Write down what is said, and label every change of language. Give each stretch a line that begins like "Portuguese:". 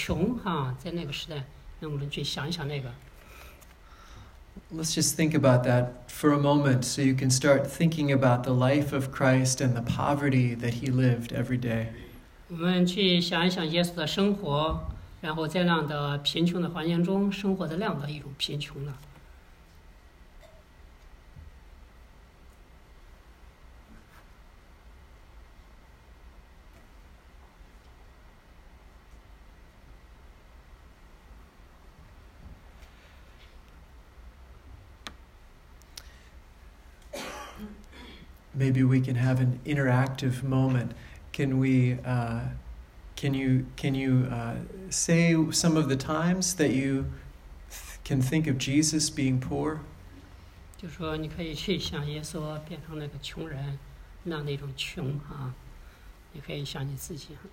Chinese: 那我们去想一想说在耶稣的年代，耶稣那样的穷，在那个时代，那我们去想一想那个。
English: Let's just think about that for a moment so you can start thinking about the life of Christ and the poverty that he lived every day.
Chinese: 我们去想一想耶稣的生活，然后在那样的贫穷的环境中生活的那样的一种贫穷呢。
English: Maybe we can have an interactive moment. Can we? Can you say some of the times that you can think of Jesus being poor?
Chinese: 就说你可以去想耶稣变成那个穷人，那种穷。你可以想你自己。